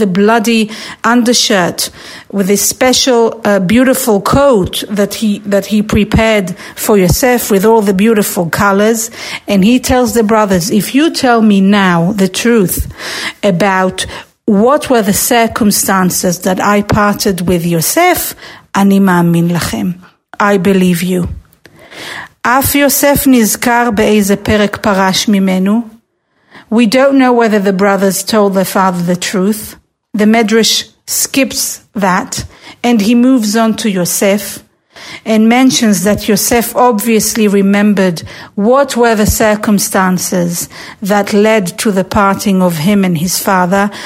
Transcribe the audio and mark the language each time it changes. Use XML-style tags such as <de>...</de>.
<en>The bloody undershirt with this special, beautiful coat that he prepared for Yosef with all the beautiful colors. And he tells the brothers, if you tell me now the truth about what were the circumstances that I parted with Yosef, אני מאמין לכם. I believe you.</en> <he>אף יוסף נזכר באיזה פרק פרש ממנו.</he> <en>We don't know whether the brothers told their father the truth. The Medrash skips that, and he moves on to Yosef, and mentions that Yosef obviously remembered what were the circumstances that led to the parting of him and his father.</en>